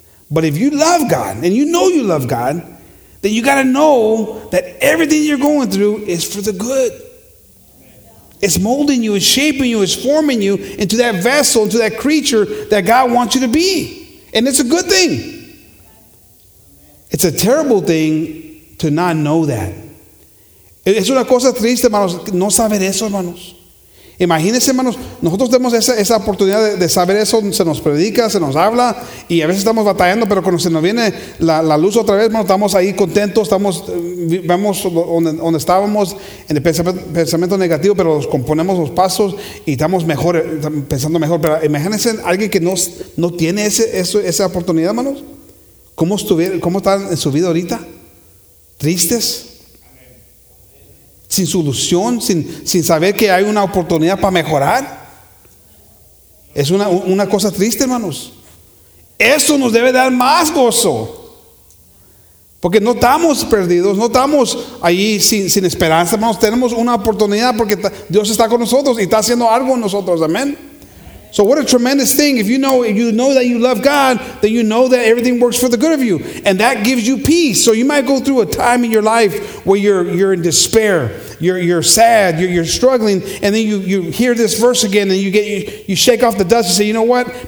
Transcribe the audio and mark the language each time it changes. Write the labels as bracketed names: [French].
[English] But if you love God and you know you love God, then you gotta know that everything you're going through is for the good. It's molding you, it's shaping you, it's forming you into that vessel, into that creature that God wants you to be. And it's a good thing. It's a terrible thing to not know that. [Spanish] Es una cosa triste, hermanos, no saber eso, hermanos. Imagínense, hermanos, nosotros tenemos esa oportunidad de saber eso, se nos predica, se nos habla, y a veces estamos batallando, pero cuando se nos viene la luz otra vez, hermanos, estamos ahí contentos, vemos donde estábamos, en el pensamiento negativo, pero nos componemos los pasos y estamos mejor, pensando mejor. Pero imagínense alguien que no tiene esa oportunidad, hermanos. ¿Cómo están en su vida ahorita? ¿Tristes? Sin solución, sin saber que hay una oportunidad para mejorar. Es una cosa triste, hermanos. Eso nos debe dar más gozo. Porque no estamos perdidos, no estamos ahí sin esperanza, hermanos. Tenemos una oportunidad porque Dios está con nosotros y está haciendo algo en nosotros. [English] Amén. So what a tremendous thing. If you know that you love God, then you know that everything works for the good of you. And that gives you peace. So you might go through a time in your life where you're in despair, you're sad, you're struggling, and then you hear this verse again and you shake off the dust and say, you know what?